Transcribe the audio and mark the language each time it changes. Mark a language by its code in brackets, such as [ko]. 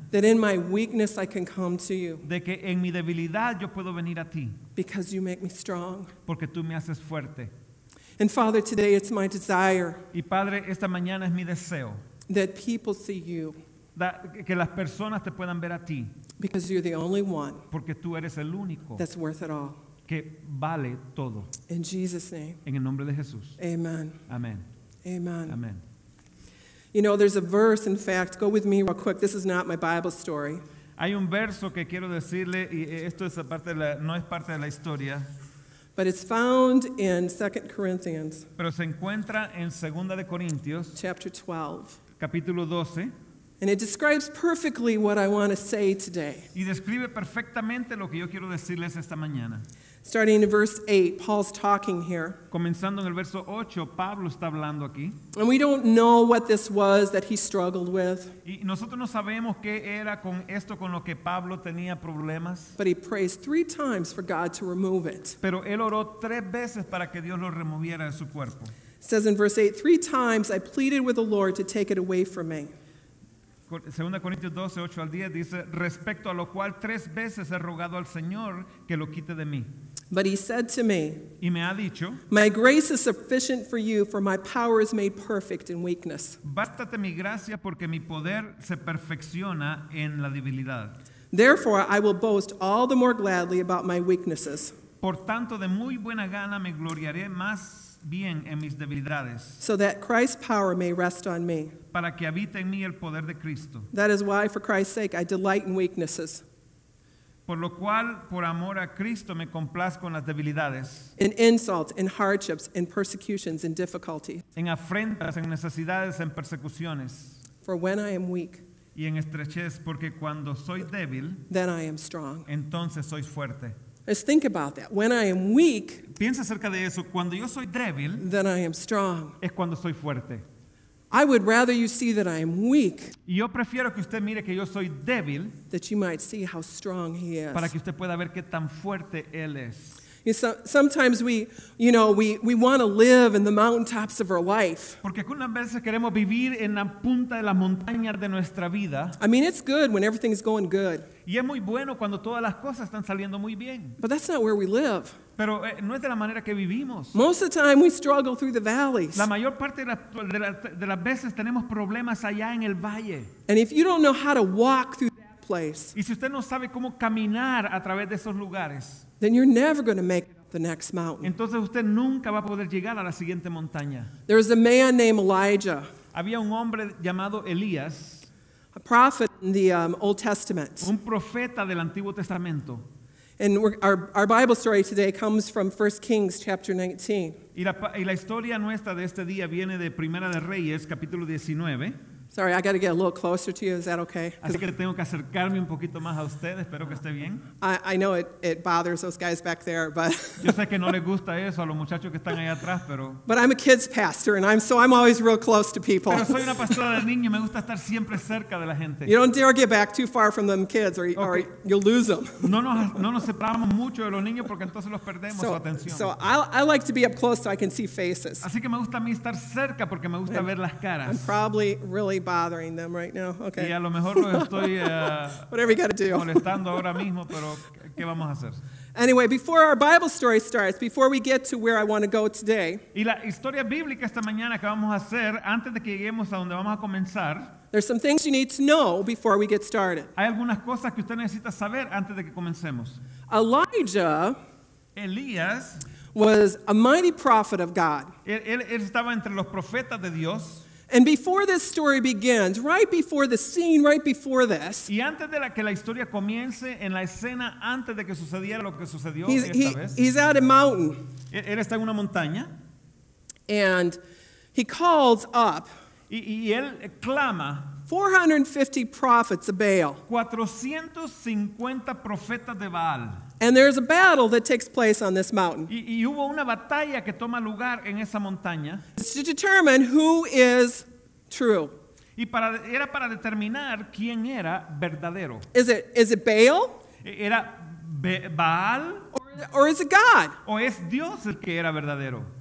[en] That in my weakness I can come to you. [es] De que en mi debilidad yo puedo venir a ti. [en] Because you make me strong. [es] Porque tú me haces fuerte. [en] And Father, today it's my desire. [es] Y Padre, esta mañana es mi deseo. [en] That people see you. [es] Que las personas te puedan ver a ti. [en] Because you're the only one. [es] Porque tú eres el único. [en] That's worth it all. [es] Que vale todo. [en] In Jesus' name. [es] En el nombre de Jesús. [en] Amen. [es] Amen. [en] Amen. [es] Amen. [en] You know, there's a verse, in fact, go with me real quick. This is not my Bible story. [es] Hay un verso que quiero decirle, y esto es parte de la, no es parte de la historia. [en] But it's found in 2 Corinthians. [es] Pero se encuentra en 2 de Corintios. [en] Chapter 12. [es] Capítulo 12. [en] And it describes perfectly what I want to say today. [es] Y describe perfectamente lo que yo quiero decirles esta mañana. [en] Starting in verse 8, Paul's talking here. [es] Comenzando en el verso 8, Pablo está hablando aquí. [en] And we don't know what this was that he struggled with. [es] Y nosotros no sabemos qué era con esto con lo que Pablo tenía problemas. [en] But he prays 3 times for God to remove it. [es] Pero él oró 3 veces para que Dios lo removiera de su cuerpo. [en] It says in verse 8, 3 times I pleaded with the Lord to take it away from me. [es] 2 Corintios 12, 8 al 10 dice, respecto a lo cual 3 veces he rogado al Señor que lo quite de mí. [en] But he said to me, [es] y me ha dicho, [en] my grace is sufficient for you, for my power is made perfect in weakness. [es] Bástate mi gracia porque mi poder se perfecciona en la debilidad. [en] Therefore, I will boast all the more gladly about my weaknesses. [es] Por tanto, de muy buena gana me gloriaré más bien en mis debilidades. [en] So that Christ's power may rest on me. [es] Para que habite en mí el poder de Cristo. [en] That is why, for Christ's sake, I delight in weaknesses. [es] Por lo cual, por amor a Cristo, me complazco en las debilidades. [en] In insults, in hardships, in persecutions, in difficulties. [es] En afrentas, en necesidades, en persecuciones. [en] For when I am weak. [es] Y en estrechez, porque cuando soy débil. [en] Then I am strong. [es] Entonces soy fuerte. [en] Just think about that. When I am weak. [es] Piensa acerca de eso. Cuando yo soy débil. [en] Then I am strong. [es] Es cuando soy fuerte. [en] I would rather you see that I am weak. [es] Yo prefiero que usted mire que yo soy débil. [en] That you might see how strong he is. [es] Para que usted pueda ver qué tan fuerte él es. [en] You know, sometimes we want to live in the mountaintops of our life. [es] Porque algunas veces queremos vivir en la punta de las montañas de nuestra vida. [en] I mean, it's good when everything's going good. [es] Y es muy bueno cuando todas las cosas están saliendo muy bien. [en] But that's not where we live. [es] Pero no es de la manera que vivimos. [en] Most of the time we struggle through the valleys. [es] La mayor parte de las veces tenemos problemas allá en el valle. [en] And if you don't know how to walk through that place. [es] Y si usted no sabe cómo caminar a través de esos lugares. [en] Then you're never going to make it up the next mountain. [es] Entonces usted nunca va a poder llegar a la siguiente montaña. [en] There is a man named Elijah. [es] Había un hombre llamado Elías. [en] A prophet in the Old Testament. [es] Un profeta del Antiguo Testamento. [en] And our Bible story today comes from 1 Kings chapter 19. [es] Y la historia nuestra de este día viene de Primera de Reyes capítulo 19. [en] Sorry, I got to get a little closer to you. Is that okay? [es] Así que tengo que acercarme un poquito más a ustedes. Espero que esté bien. [en] I know it bothers those guys back there, but. [es] Yo sé que no les gusta eso a los muchachos que están ahí atrás, pero. [en] But I'm a kids pastor, and I'm always real close to people. [es] Pero soy una pastora de niños. Me gusta estar siempre cerca de la gente. [en] You don't dare get back too far from them kids, or you'll lose them. [es] No nos separamos mucho de los niños porque entonces los perdemos su atención. [en] So I like to be up close so I can see faces. [es] Así que me gusta a mí estar cerca porque me gusta ver las caras. [en] I'm probably really bothering them right now. Okay. [es] Y a lo mejor lo estoy [en] whatever you got to do. [es] Molestando ahora mismo, pero ¿qué vamos a hacer? [en] Anyway, before our Bible story starts, before we get to where I want to go today. [es] Y la historia bíblica esta mañana que vamos a hacer antes de que lleguemos a donde vamos a comenzar. [en] There's some things you need to know before we get started. [es] Hay algunas cosas que usted necesita saber antes de que comencemos. [en] Elijah. [es] Elías [en] was a mighty prophet of God. [es] Él estaba entre los profetas de Dios. [en] And before this story begins, right before the scene, right before this, [es] y antes de que la historia comience en la escena antes de que sucediera lo que sucedió esta vez, [en] he's at a mountain. [es] Él está en una montaña. [en] And he calls up. [es] Y él clama. [en] 450 prophets of Baal. [es] 450 profetas de Baal. [en] And there's a battle that takes place on this mountain. [es] Y hubo una batalla que toma lugar en esa montaña. [en] It's to determine who is true. [es] Y era para determinar quién era verdadero. [en] Is it Baal? [es] Era Baal. [en] Or is it God? [es] O es Dios el que era verdadero.